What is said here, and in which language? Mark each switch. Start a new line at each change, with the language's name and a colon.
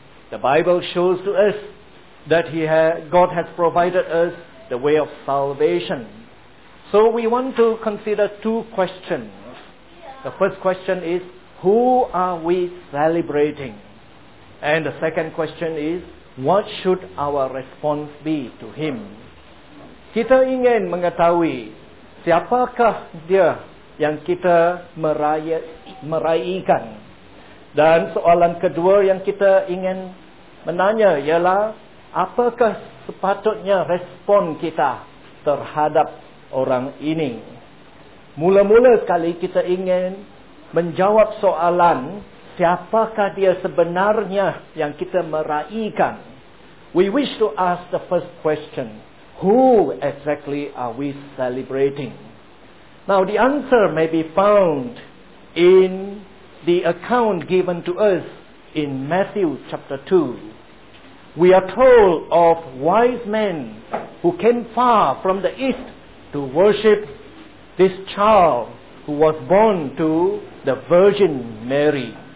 English: The Bible shows to us that God has provided us the way of salvation. So we want to consider two questions. The first question is, who are we celebrating? And the second question is, what should our response be to Him?
Malay: Kita ingin mengetahui siapakah dia yang kita meraihkan. Dan soalan kedua yang kita ingin menanya ialah, apakah sepatutnya respon kita terhadap orang ini? Mula-mula sekali kita ingin menjawab soalan, siapakah dia sebenarnya yang kita meraihkan?
English: We wish to ask the first question. Who exactly are we celebrating? Now, the answer may be found in the account given to us in Matthew chapter 2. We are told of wise men who came far from the east to worship this child who was born to the Virgin Mary.